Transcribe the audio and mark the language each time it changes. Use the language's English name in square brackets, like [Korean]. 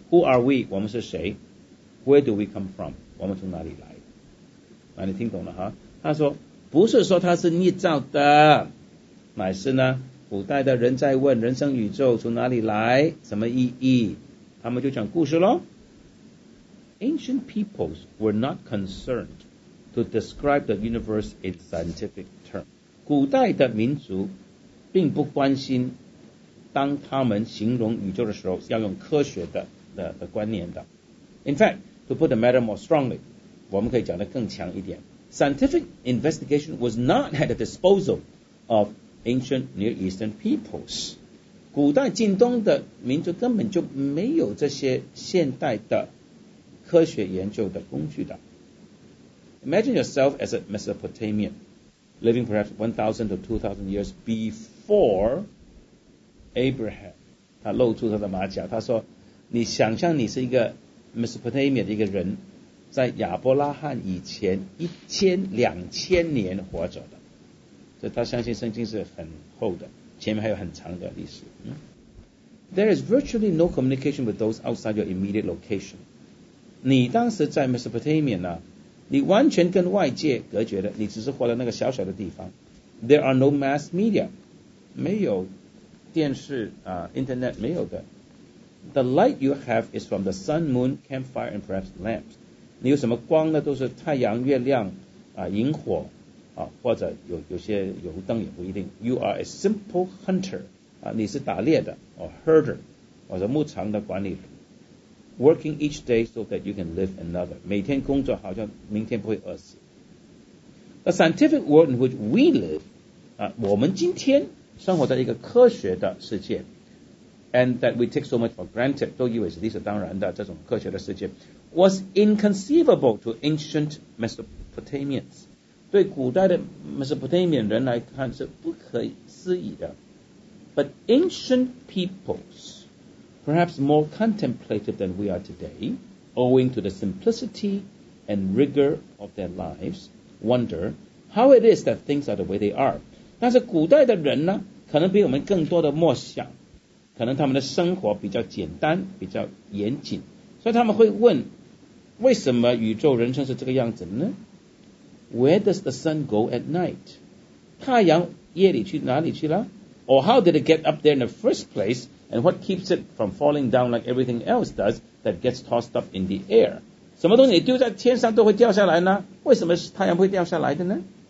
[English] Who are we? [Chinese] 我们是谁？ [English] Where do we come from? [Chinese] 我们从哪里来？那你听懂了哈？他说不是说他是捏造的，乃是呢古代的人在问人生宇宙从哪里来，什么意义，他们就讲故事咯。 [English] Ancient peoples were not concerned to describe the universe in scientific terms. [Chinese] 古代的民族并不关心当他们形容宇宙的时候要用科学 的观念的。 [English] In factTo put the matter more strongly, [Chinese] 我们可以讲得更强一点。 [English] Scientific investigation was not at the disposal of ancient Near Eastern peoples. [Chinese] 古代近东的民族根本就没有这些现代的科学研究的工具的。 [English] Imagine yourself as a Mesopotamian, living perhaps 1,000 to 2,000 years before Abraham. [Chinese] 他露出他的马脚，他说，你想象你是一个Mesopotamia 的一个人，在亚伯拉罕以前1000-2000年活着的，所以他相信圣经是很厚的，前面还有很长的历史。 [English] There is virtually no communication with those outside your immediate location. [Chinese] 你当时在 Mesopotamia 呢，你完全跟外界隔绝的，你只是活在那个小小的地方。 [English] There are no mass media, [Chinese] 没有电视啊、internet 没有的。 [English] The light you have is from the sun, moon, campfire, and perhaps lamps. [Chinese] 你有什么光呢？都是太阳、月亮、萤火、或者 有些油灯也不一定。 [English] You are a simple hunter. [Chinese] 你是打猎的 [English] or herder, [Chinese] 或者牧场的管理人。 [English] Working each day so that you can live another. [Chinese] 每天工作好像明天不会饿死。 [English] The scientific world in which we live, [Chinese] 我们今天生活在一个科学的世界。 [English] And that we take so much for granted, [Chinese] 都以为是理所当然的这种科学的世界 [English] was inconceivable to ancient Mesopotamians. [Chinese] 对古代的 Mesopotamian 人来看是不可思议的。 [English] But ancient peoples, perhaps more contemplative than we are today, owing to the simplicity and rigor of their lives, wonder how it is that things are the way they are. [Chinese] 但是古代的人呢，可能比我们更多的默想。可能他们的生活比较简单，比较严谨，所以他们会问，为什么宇宙人生是这个样子呢？ [English] Where does the sun go at night? [Chinese] 太阳夜里去哪里去了？ [English] Or how did it get up there in the first place? And what keeps it from falling down like everything else does that gets tossed up in the air? [Chinese] 什么东西丢在天上都会掉下来呢？为什么太阳会掉下来的呢？